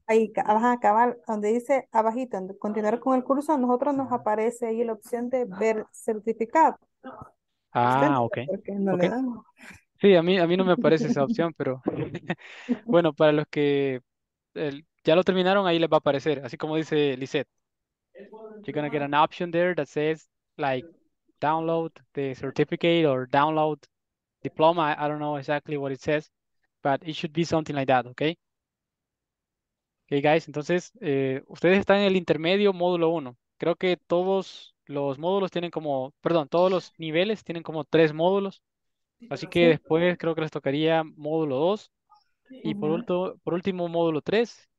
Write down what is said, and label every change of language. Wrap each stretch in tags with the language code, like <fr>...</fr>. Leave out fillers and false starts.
<es>Ahí, abajo, acabar, donde dice abajito, continuar con el curso, a nosotros nos aparece ahí la opción de ver certificado. Ah, ok. Porque no okay. le damos. Sí, a mí no me aparece esa opción, pero bueno, para los que ya lo terminaron, ahí les va a aparecer, así como dice Lisette.</es> <en>You're going to get an option there that says, like, download the certificate or download diploma. I don't know exactly what it says, but it should be something like that, okay?</en> <es>Okay, guys, entonces, ustedes están en el intermedio módulo 1. Creo que todos los módulos tienen como, perdón, todos los niveles tienen como 3 módulos. Así que después creo que les tocaría módulo 2 y por último módulo 3.</es>